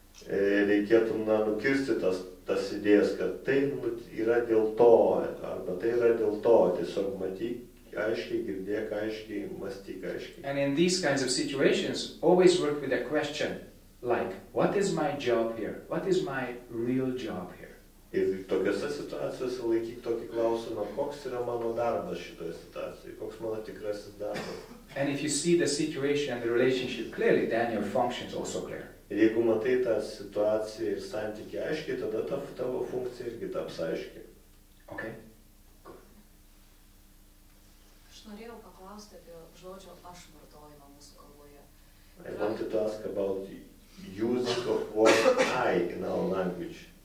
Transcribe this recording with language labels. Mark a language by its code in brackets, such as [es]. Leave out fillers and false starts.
[lt] Reikėtų nukirsti tas idėjas, kad tai yra dėl to, arba tai yra dėl to. Tiesiog matyk aiškiai, girdėk aiškiai, mąstyk aiškiai. [en] And in these kinds of situations, always work with a question. Like, what is my job here? What is my real job here? [lt] Ir tokiose situacijose laikyk tokį klausimą, koks yra mano darbas šitoje situacijoje, koks mano tikrasis darbas. [en] And if you see the situation and the relationship clearly, then your function is also clear. [lt] Ir jeigu matai tą situaciją ir santykį aiškiai, tada tavo funkcija irgi taps aiškiai. [en] Okay. [lt] Aš norėjau paklausti apie žodžio aš vartojimą mūsų kalboje. [en] I wanted to ask about use of word I in our language.